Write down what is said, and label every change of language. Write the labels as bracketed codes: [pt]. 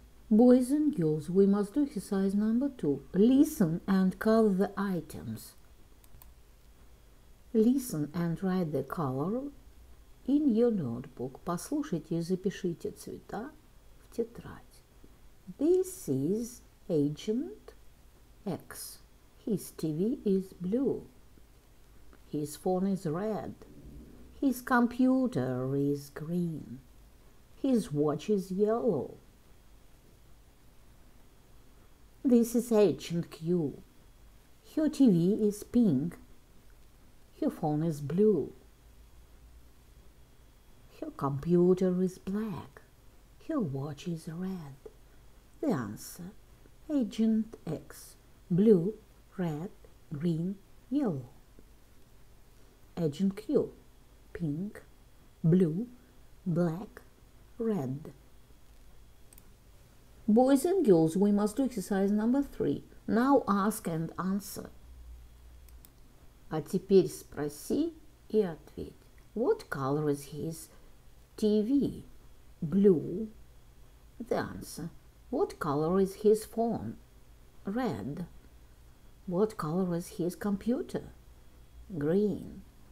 [en] Boys and girls, we must do exercise number 2. Listen and call the items. Listen and write the color in your notebook. [ru] Послушайте и запишите цвета в тетрадь. [en] This is Agent X. His TV is blue. His phone is red. His computer is green. His watch is yellow. This is Agent Q. Her TV is pink. Her phone is blue. Her computer is black. Her watch is red. The answer, Agent X. Blue, red, green, yellow. Agent Q. Pink, blue, black, red. Boys and girls, we must do exercise number 3. Now ask and answer. [ru] А теперь спроси и ответь. [en] What color is his TV? Blue. The answer. What color is his phone? Red. What color is his computer? Green.